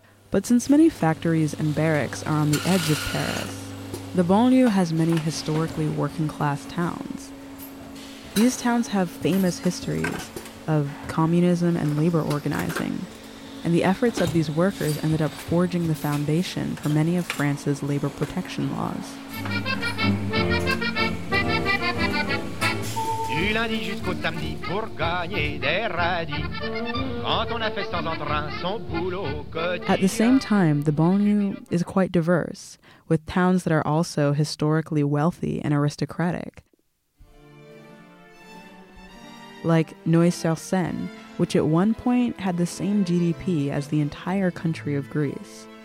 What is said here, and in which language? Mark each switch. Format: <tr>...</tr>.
<en>But since many factories and barracks are on the edge of Paris, the banlieue has many historically working-class towns. These towns have famous histories of communism and labor organizing, and the efforts of these workers ended up forging the foundation for many of France's labor protection laws.</en> <fr>Du lundi jusqu'au samedi pour gagner des radis. Quand on a fait sans entrain son boulot quotidien.</fr> <en>At the same time, the banlieue is quite diverse, with towns that are also historically wealthy and aristocratic. Like Neuilly-sur-Seine, which at one point had the same GDP as the entire country of Greece.</en>